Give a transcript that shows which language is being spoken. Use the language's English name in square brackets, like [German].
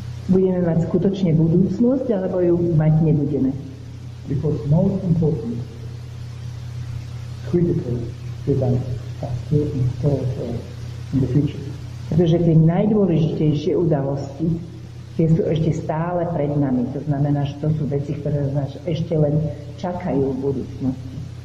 [Slovak] Budeme mať skutočne budúcnosť, alebo ju mať nebudeme. [English] Because most important critical events are in store for in the future. [Slovak] Pretože tie najdôležitejšie udalosti tie sú ešte stále pred nami. To znamená, že to sú veci, ktoré nás ešte len čakajú v budúcnosti.